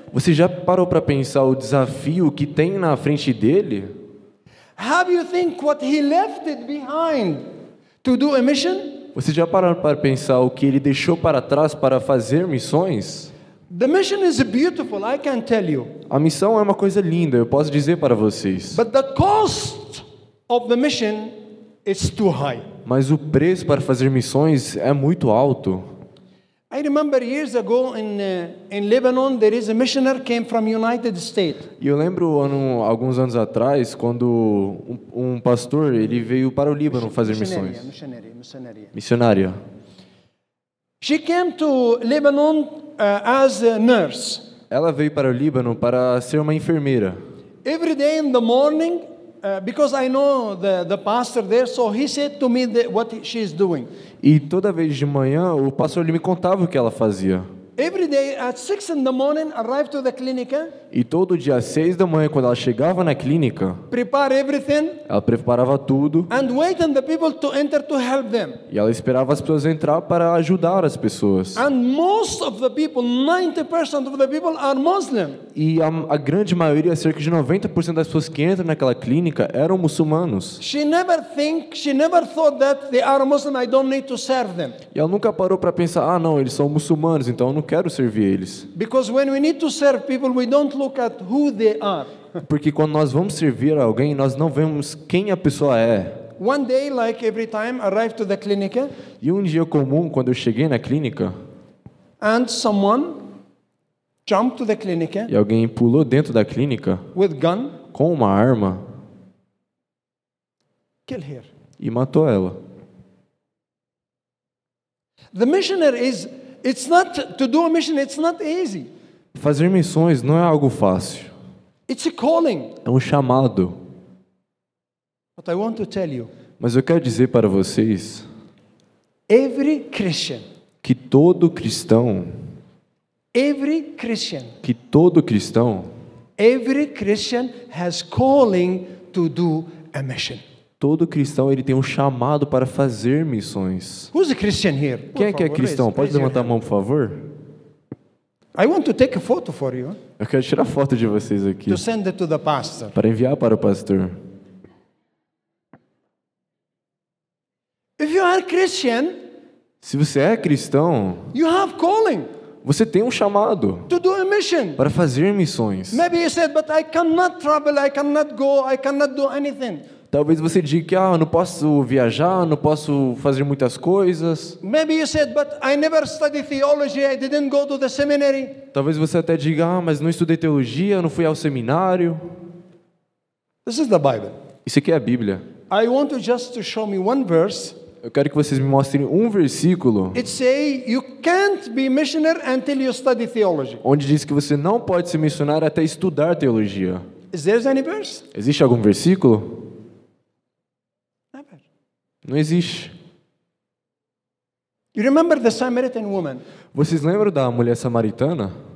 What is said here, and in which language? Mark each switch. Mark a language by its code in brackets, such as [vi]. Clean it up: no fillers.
[pt] Você já parou para pensar o desafio que tem na frente dele? [en] Have you think what he left it behind to do a mission? [pt] Você já parou para pensar o que ele deixou para trás para fazer missões? [en] The mission is beautiful, I can tell you. [pt] A missão é uma coisa linda, eu posso dizer para vocês. [en] But the cost of the mission is too high. [pt] Mas o preço para fazer missões é muito alto. [en] I remember years ago in Lebanon there is a missionary came from United States. [pt] E eu lembro alguns anos atrás quando um pastor ele veio para o Líbano fazer missões. [en] Missionária. She came to Lebanon as a nurse. [pt] Ela veio para o Líbano para ser uma enfermeira. [en] Every day in the morning because I know the pastor there, so he said to me what she is doing. [pt] E toda vez de manhã, o pastor lhe me contava o que ela fazia. [en] Every day at 6 in the morning, arrive to the clinic. [pt] E todo dia às 6 da manhã, quando ela chegava na clínica, [en] prepare everything. [pt] Ela preparava tudo. [en] And wait on the people to enter to help them. [pt] E ela esperava as pessoas entrar para ajudar as pessoas. [en] And most of the people, 90% of the people are Muslim. [pt] E a grande maioria, cerca de 90% das pessoas que entram naquela clínica eram muçulmanos. [en] She never thought that they are Muslim, I don't need to serve them. [pt] E ela nunca parou para pensar, ah, não, eles são muçulmanos, então não quero servir eles. [en] Because when we need to serve people, we don't look at who they are. [pt] Porque quando nós vamos servir alguém, nós não vemos quem a pessoa é. [en] One day, like every time, arrived to the clinic. [pt] E um dia comum, quando eu cheguei na clínica, [en] and someone jumped to the clinic. [pt] E alguém pulou dentro da clínica. [en] With gun. [pt] Com uma arma. [en] Kill her. [pt] E matou ela. [en] The missionary is. It's not to do a mission. It's not easy. [pt] Fazer missões não é algo fácil. [en] It's a calling. [pt] É um chamado. [en] But I want to tell you. [pt] Mas eu quero dizer para vocês. [en] Every Christian. [pt] Que todo cristão. [en] Every Christian. [pt] Que todo cristão. [en] Every Christian has calling to do a mission. [pt] Todo cristão ele tem um chamado para fazer missões. [en] Who's a Christian here? [pt] Quem é que é cristão? Pode levantar a mão, por favor. [en] I want to take a photo for you. [pt] Eu quero tirar foto de vocês aqui. [en] To send it to the pastor. [pt] Para enviar para o pastor. [en] If you are Christian, [pt] Se você é cristão, [en] you have calling. [pt] Você tem um chamado [en] to do a mission. [pt] Para fazer missões. [en] Maybe you said, but I cannot travel, I cannot go, I cannot do anything. [pt] Talvez você diga que ah, não posso viajar, não posso fazer muitas coisas. [en] Maybe you said, but I never studied theology, I didn't go to the seminary. [pt] Talvez você até diga, ah, mas não estudei teologia, não fui ao seminário. [en] This is the Bible. [pt] Isso aqui é a Bíblia. [en] I want you just to show me one verse. [pt] Eu quero que vocês me mostrem um versículo. [en] It say you can't be missionary until you study theology. [pt] Onde diz que você não pode ser missionário até estudar teologia. [en] Is there any verse? [pt] Existe algum versículo? Não existe. [en] You remember the Samaritan woman? [pt] Vocês lembram da mulher samaritana?